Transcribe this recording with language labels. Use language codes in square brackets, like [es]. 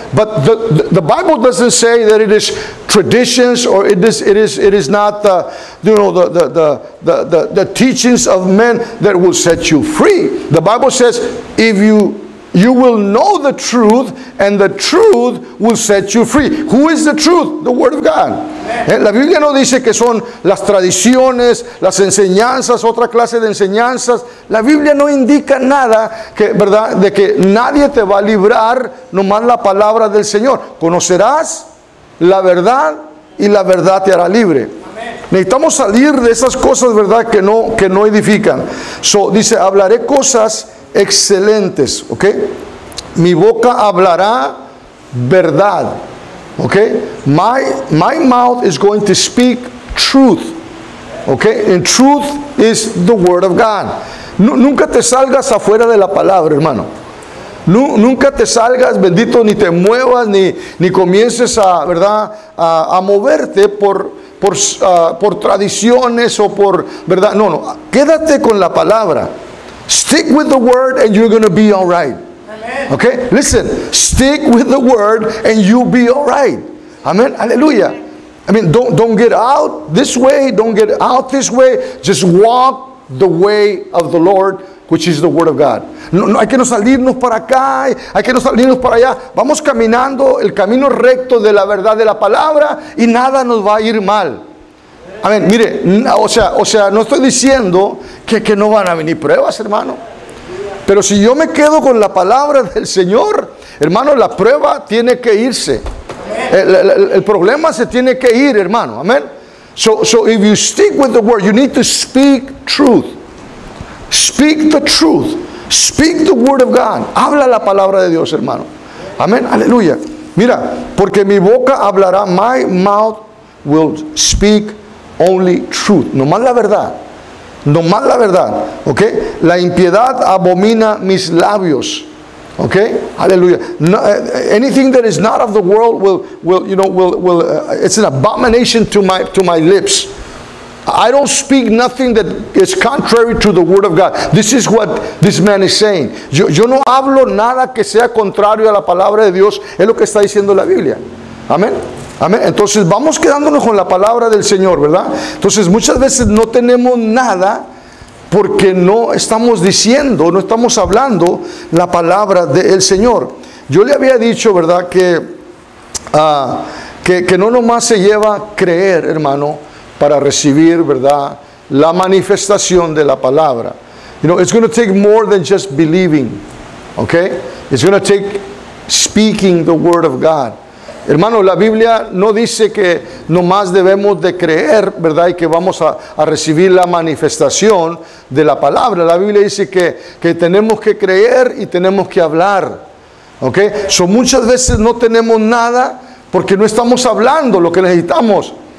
[en] But the Bible doesn't say that it is traditions, or it is not the, you know, the teachings of men that will set you free. The Bible says if you will know the truth, and the truth will set you free. Who is the truth? The word of God. [es] La Biblia no dice que son las tradiciones, las enseñanzas, otra clase de enseñanzas. La Biblia no indica nada, que, ¿verdad?, de que nadie te va a librar, nomás la palabra del Señor. Conocerás la verdad y la verdad te hará libre. Necesitamos salir de esas cosas, ¿verdad?, que no edifican. So, dice, hablaré cosas excelentes, ¿ok? Mi boca hablará verdad. [en] Okay, my mouth is going to speak truth. Okay, and truth is the word of God. [es] Nunca te salgas afuera de la palabra, hermano. Nunca te salgas, bendito, ni te muevas, ni comiences a, ¿verdad?, a moverte por tradiciones o por, ¿verdad? No, quédate con la palabra. [en] Stick with the word and you're going to be all right. Okay, listen, stick with the word and you'll be all right. Amen. Hallelujah. I mean, don't get out this way, don't get out this way. Just walk the way of the Lord, which is the word of God. [es] No hay que no salirnos para acá, hay que no salirnos para allá. Vamos caminando el camino recto de la verdad de la palabra y nada nos va a ir mal. Amén. Mire, o sea, no estoy diciendo que no van a venir pruebas, hermano. Pero si yo me quedo con la palabra del Señor, hermano, la prueba tiene que irse. El problema se tiene que ir, hermano. Amén. [en] So if you stick with the word, you need to speak truth. Speak the truth. Speak the word of God. [es] Habla la palabra de Dios, hermano. Amén. Aleluya. Mira, porque mi boca hablará, [en] my mouth will speak only truth. [es] No más la verdad. No más la verdad. ¿Ok? La impiedad abomina mis labios. ¿Ok? Aleluya. [en] No, anything that is not of the world will it's an abomination to my lips. I don't speak nothing that is contrary to the word of God. This is what this man is saying. [es] Yo no hablo nada que sea contrario a la palabra de Dios. Es lo que está diciendo la Biblia. Amén. Amén. Entonces vamos quedándonos con la palabra del Señor, ¿verdad? Entonces muchas veces no tenemos nada porque no estamos diciendo, no estamos hablando la palabra del Señor. Yo le había dicho, ¿verdad? Que no nomás se lleva a creer, hermano, para recibir, ¿verdad?, la manifestación de la palabra. [en] You know, it's going to take more than just believing, okay? It's going to take speaking the word of God. [es] Hermano, la Biblia no dice que nomás debemos de creer, ¿verdad?, y que vamos a recibir la manifestación de la palabra. La Biblia dice que tenemos que creer y tenemos que hablar, okay? So muchas veces no tenemos nada porque no estamos hablando lo que necesitamos.